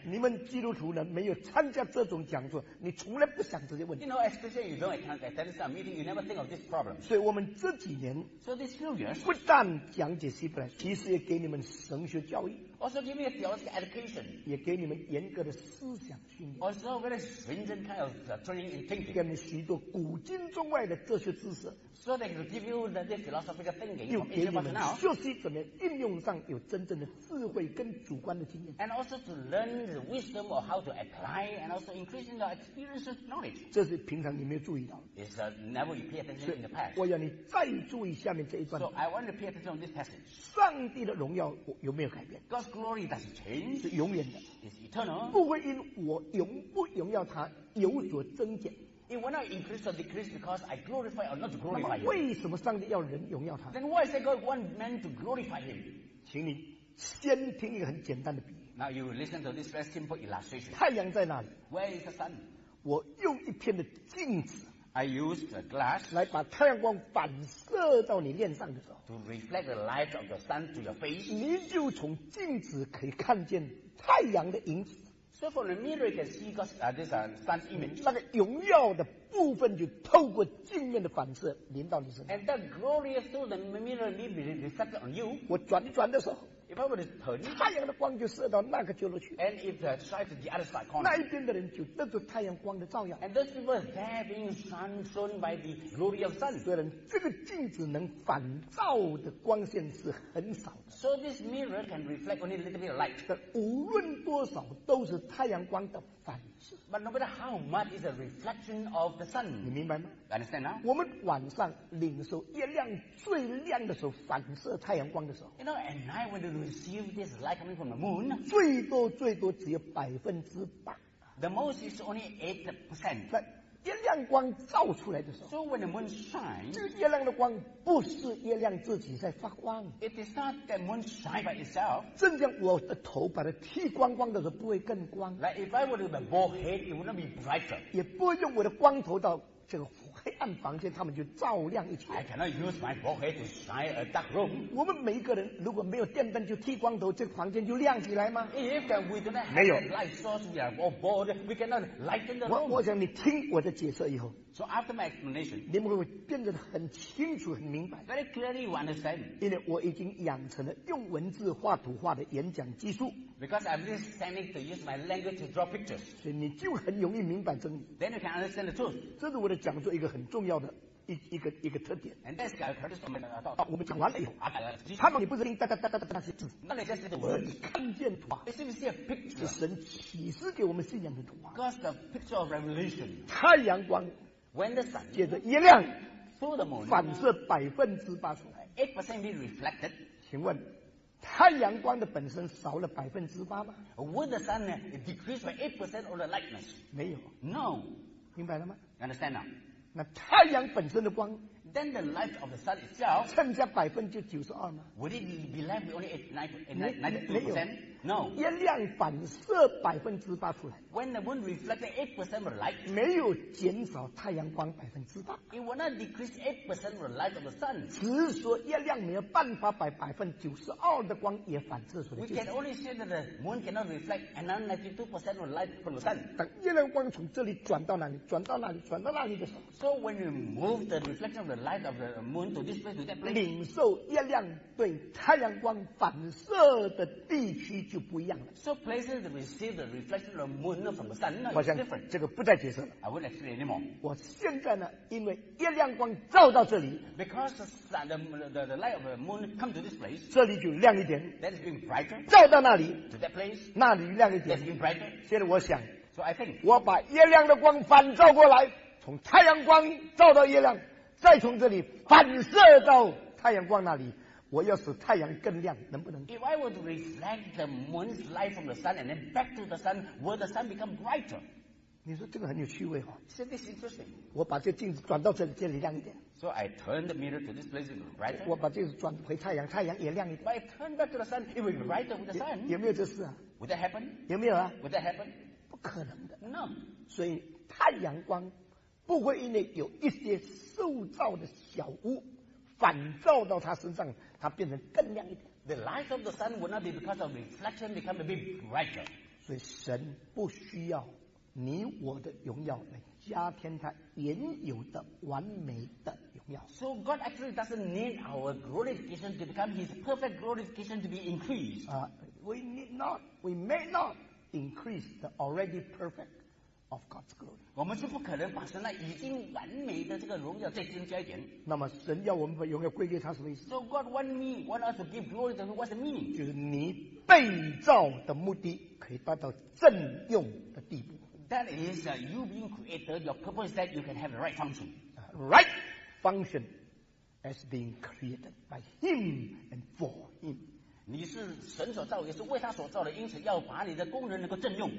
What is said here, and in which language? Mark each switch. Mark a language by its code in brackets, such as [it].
[zh] 你们基督徒呢，没有参加这种讲座，你从来不想这些问题。 [en] You know, especially you don't attend that kind of meeting, you never think. Of this problem. [zh] 所以我们这几年 [en] so this few years, [zh] 不但讲解希伯来，其实也给你们神学教育 [en] also give me a theological education, [zh] 也给你们严格的思想训练 [en] also very stringent kind of training in thinking, [zh] 给你们许多古今中外的哲学知识 [en] so they can give you the philosophical thinking [zh] 又给你们学习怎么应用上有真正的智慧跟主观的经验 [en] and also to learn the wisdom of how to apply and also increasing the experience of knowledge [zh] 这是平常你没有注意到 [en] it's never you pay attention in the past [zh] 我要你再注意下面这一段 [en] so I want to pay attention to this passage [zh] 上帝的荣耀有没有改变 [en] God's glory does it change [zh] 是永远的 [en] it's eternal [zh] 不会因我荣不荣耀他有所增减 [en] it will not increase or decrease because I glorify or not glorify him [zh] 为什么上帝要人荣耀他 [en] then why is God want men to glorify him [zh] 请你先听一个很简单的比喻 [en] now you listen to this very simple illustration [zh] 太阳在哪里 [en] where is the sun [zh] 我用一片的镜子 [en] I use the glass [zh] 来把太阳光反射到你脸上的时候 [en] to reflect the light of the sun to your face [zh] 你就从镜子可以看见太阳的影子 [en] so from the mirror you can see God's, this sun's image [zh] 那个荣耀的部分就透过镜面的反射淋到你身上 [en] and that glorious through the mirror may be reflected on you [zh] 我转一转的时候 [en] if I were to turn [zh] 太阳的光就射到那个角落去 [en] and if the shine to the other side corner [zh] 那一边的人就得到太阳光的照耀 [en] and those people are there being sun shone by the glory of sun [zh] 虽然这个镜子能反照的光线是很少的 [en] so this mirror can reflect only a little bit of light [zh] 但无论多少都是太阳光的反射 [en] but no matter how much is a reflection ofThe sun. [zh] 你明白吗 [en] Understand now? [zh] 我们晚上领受月亮最亮的时候反射太阳光的时候 [en] You know, at night when we receive this light coming from the moon [zh] 最多最多只有8% [en] The most is only 8% [zh] 那月亮光照出来的时候 [en] So when the moon shines [zh] 这月亮的光不是月亮自己在发光 [en] It is not the moon shine by itself [zh] 正像我的头把它剃光光的时候不会更光 [en] Like if I were to have a bald head it would not be brighter [zh] 也不会用我的光头到这个黑暗房间他们就照亮一起 [en] I cannot use my bald head to shine a dark room [zh] 我们每一个人如果没有电灯就剃光头这个房间就亮起来吗 [en] If then we do not have a light source we are all bald we cannot lighten the room [zh] 我想你听我的解释以后 [en] So after my explanation, [zh] 你们会变得很清楚很明白 [en] Very clearly you understand. [zh] 因为我已经养成了用文字画图画的演讲技术 [en] Because I'm just standing to use my language to draw pictures. [zh] 所以你就很容易明白真理 [en] Then you can understand the truth. [zh] 这是我的讲座一个很重要的一个特点 [en] And that's the purpose of my talk. [zh] 我们讲完了以后他们你不是听哒哒哒哒哒那些字 [en] Not like just the word. [zh] 你看见图画 [en] It's even see a picture. [zh] 是神启示给我们信仰的图画 [en] Because the picture of revelation. [zh] 太阳光 [en] When the sun, [zh] 接着月亮 [en] the moon, [zh] 反射80% [en] 8% [zh] 请问太阳光的本身少了百分之八吗 [en] ？Would the sun decrease by 8% of the lightness？ [zh] 没有。 [en] No， [zh] 明白了吗 [en] ？Understand now？ [zh] 那太阳本身的光 [en] ，then the light of the sun itself， [zh] 剩下百分之九十二吗 [en] ？Would it be left with only 8.9%？ No， [zh] 天亮反射百分之八出来。 [en] When the moon reflects 8% of the light， [zh] 没有减少太阳光百分之八。 [en] It will not decrease 8% of the light of the sun， [zh] 只是说月亮没有办法把百分之九十二的光也反射出来。 [en] We can only say that the moon cannot reflect another 92% of the light from the sun。 [zh] 等月亮光从这里转到哪里？转到哪里？转到哪里的时候 [en] ？So when you move the reflection of the light of the moon to this place to that place， [zh] 领受月亮对太阳光反射的地区。就不一样了。 [en] So places that receive the reflection of the moon from the sun are different. [zh] 这个不再解释了。 [en] I won't explain anymore. [zh] 我现在呢，因为月亮光照到这里 [en] ，because the sun, the light of the moon come to this place， [zh] 这里就亮一点。 [en] That is being brighter. [zh] 照到那里 [en] ，to that place， [zh] 那里亮一点。 [en] That is being brighter. [zh] 现在我想 [en] ，So I think， [zh] 我把月亮的光反照过来，从太阳光照到月亮，再从这里反射到太阳光那里。我要使太阳更亮，能不能 [en] ？If I would reflect the moon's light from the sun and then back to the sun, would the sun become brighter？ [zh] 你说这个很有趣味哈。 [en] So this is interesting。 [zh] 我把这镜子转到这里亮一点。 [en] So I turn the mirror to this place and brighter。 [zh] 我把镜子转回太阳，太阳也亮一点。 [en] But I turn back to the sun, it will be brighter with the sun。 [zh] 有没有这事啊 [en] ？Would that happen？ [zh] 有没有啊 [en] ？Would that happen？ [zh] 不可能的。 [en] No。 [zh] 所以太阳光不会因为有一些受造的小物。反照到他身上，他变成更亮一点。 [en] The light of the sun will not be because of reflection become a bit brighter. [zh] 所以神不需要你我的荣耀来加添他原有的完美的荣耀。 [en] So God actually doesn't need our glorification to become His perfect glorification to be increased. We need not, we may not increase the already perfect. Of God's glory. [zh] 我们是不可能把神那已经完美的这个荣耀再增加一点。那么神要我们把荣耀归给他什么意思 [en] ？So God want me, want us to give glory to Him. What's the meaning? [zh] 就是你被造的目的可以达到正用的地步。 [en] That is, you being created, your purpose that you can have the right function. Right function as being created by Him and for Him. [zh] 你是神所造，也是为他所造的，因此要把你的功能能够正用。